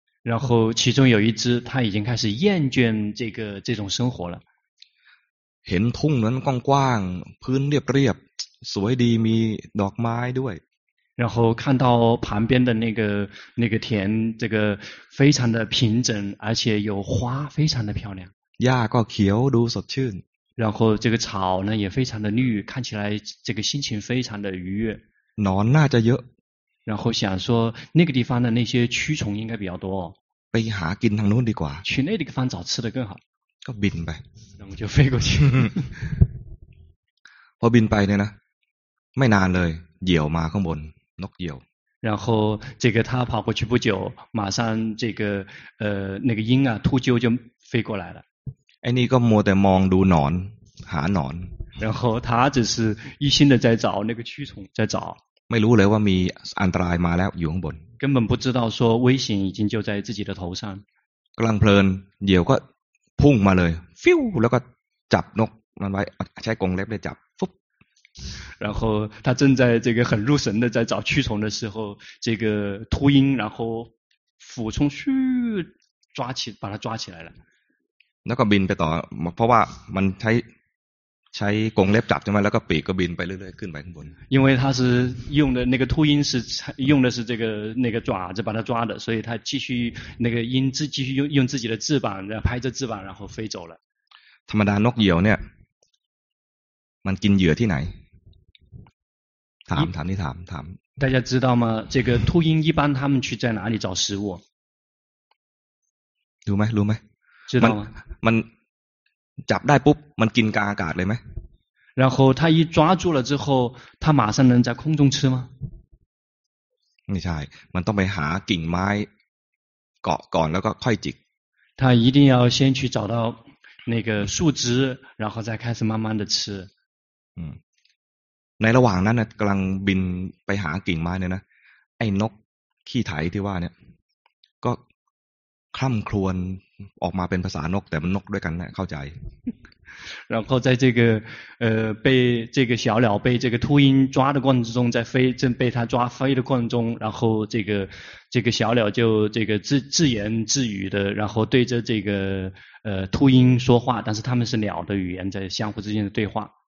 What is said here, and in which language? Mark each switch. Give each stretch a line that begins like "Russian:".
Chinese: 然后其中有一只它已经开始厌倦这种生活了
Thai: เห็นทุ่งนั้นกว้างๆพื้นเรียบๆสวยดีมีดอกไม้ด้วย
Chinese: 然后看到旁边的那个田，这个非常的平整，而且有花非常的漂亮。
Thai: 呀，ก็เขียวดูสดชื่น。
Chinese: 然后这个草呢也非常的绿，看起来这个心情非常的愉悦。
Thai: นอนน่าจะเยอะ。
Chinese: 然后想说那个地方的那些蛆虫应该比较多。
Thai: ไปหากินทางโน้นดีกว่า。
Chinese: 去那个地方找吃的更好。
Thai: ก็บินไป。
Chinese: 然后就飞过去。
Thai: พอบินไปเนี่ยนะไม่นานเลยเหยี่ยวมาข้างบนนกเหยี่ยว
Chinese: 然后这个他跑过去不久马上这个那个鹰啊秃鹫就飞过来了
Thai: ไอ้นี่ก็มัวแต่มองดูหนอนหาหนอน
Chinese: 然后他只是一心的在找那个蛆虫在找
Thai: ไม่รู้เลยว่ามีอันตรายมาแล้วอยู่ข้างบน
Chinese: 根本不知道说危险已经就在自己的头上
Thai: กำลังเพลินเหยี่ยวก็พุ่งมาเลยฟิวแล้วก็จับนกมันไว้ใช้กรงเล็บได้จับฟุบ
Chinese: 然后他正在这个很入神的在找蛆虫的时候这个秃鹰然后俯冲咻抓起把它抓起来了
Thai: แล้วก็บินไปต่อเพราะว่ามันใช้กรงเล็บจับใช่ไหมแล้วก็ปีกก็บินไปเรื่อยๆขึ้นไปข้างบน
Chinese: 因为他是用的那个秃鹰是用的是这个那个爪子把它抓的所以他继续那个鹰继续用自己的翅膀然后拍着翅膀然后飞走了
Thai: ธรรมดานกเหยี่ยวเนี่ยมันกินเหยื่อที่ไหนถามนี่ถาม
Chinese: 大家知道吗这个秃鹰一般他们去在哪里找食物
Thai: รู้ไหม
Chinese: 知道吗
Thai: มันจับได้ปุ๊บมันกินกลางอากาศเลยไหม
Chinese: 然后他一抓住了之后他马上能在空中吃吗
Thai: ไม่ใช่มันต้องไปหากิ่งไม้เกาะก่อนแล้วก็ค่อยจิก
Chinese: 他一定要先去找到那个树枝然后再开始慢慢的吃
Thai: ในระหว่างนั้นกำลังบินไปหากิ่งไม้เนี่ยนะไอ้นกขี้ไถที่ว่าเนี่ยก็คร่ำครวญออกมาเป็นภาษานกแต่มันนกด้วยกันนะเข้าใจ
Chinese: 然后在这个被这个小鸟被这个秃鹰抓的过程中在飞正被它抓飞的过程中然后这个小鸟就这个自言自语的然后对着这个秃鹰说话但是他们是鸟的语言在相互之间的对话